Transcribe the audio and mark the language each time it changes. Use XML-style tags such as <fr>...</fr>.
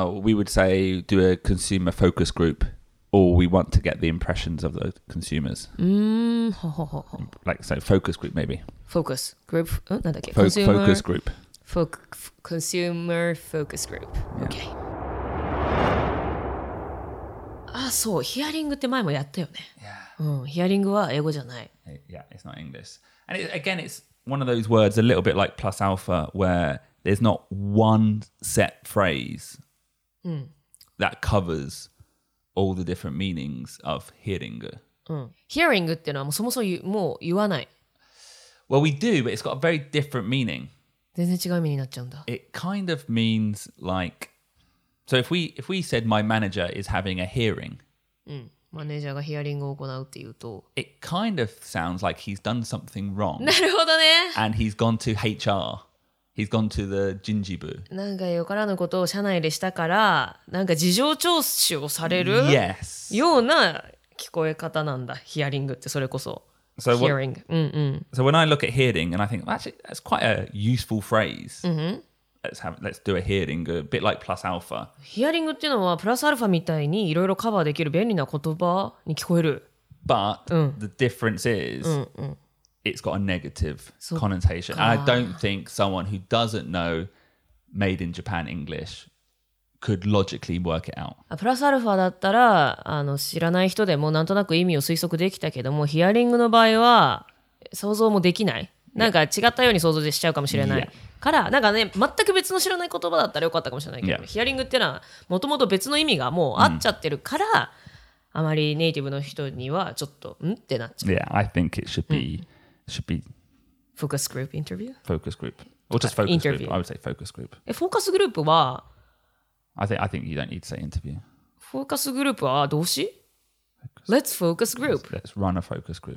<en>We would say do a consumer focus group, or we want to get the impressions of the consumers. Like, so focus group maybe.</en> <ja>Focus group, なんだっけ？</ja> <en>Focus group. Consumer focus group. Okay.</en> <ja>Ah, so ヒアリングって前もやったよね。</ja> <en>Yeah.</en> <ja>ヒアリングは英語じゃない。</ja> <en>Yeah, it's not English. And it, again, it's one of those words, a little bit like plus alpha, where there's not one set phrase、</en> <ja>うん、</ja> <en>that covers all the different meanings of hiringu.</en> <ja>Hiringu っていうのはもうそもそももう言わない。</ja> <en>Well, we do, but it's got a very different meaning.</en> <ja>全然違う意味になっちゃうんだ。</ja> <en>It kind of means like, so if we said my manager is having a hearing.</en> <ja>マネージャーがヒアリングを行うっていうと。</ja> <en>It kind of sounds like he's done something wrong.</en> <ja>なるほどね。</ja> <en>And he's gone to HR. He's gone to the Jinjibu.</en> <ja>なんかよからぬことを社内でしたから、なんか事情聴取をされる、</ja> <en>yes.</en> <ja>ような聞こえ方なんだ。ヒアリングってそれこそ。</ja> <en>So, hearing. So when I look at hearing and I think, well, actually, that's quite a useful phrase. Mm-hmm. Let's do a hearing, a bit like plus alpha.</en> <ja>Hearing っていうのはプラスアルファみたいにいろいろカバーできる便利な言葉に聞こえる。</ja> <en>But the difference is, it's got a negative connotation. I don't think someone who doesn't know made in Japan English could logically work it out.</en> <ja>プラスアルファだったら、あの、知らない人でもなんとなく意味を推測できたけども、ヒアリングの場合は想像もできない。なんか違ったように想像しちゃうかもしれない。から、なんかね、全く別の知らない言葉だったらよかったかもしれないけど、ヒアリングってのはもともと別の意味がもう合っちゃってるから、あまりネイティブの人にはちょっと、ん? ってなっちゃう。</ja> <en>Yeah, I think it should be, should be... Focus group interview? Focus group. Or just focus interview. Group. I would say focus group. Focus group は I think you don't need to say interview. Focus group は動詞?Let's focus group. Let's run a focus group.</en>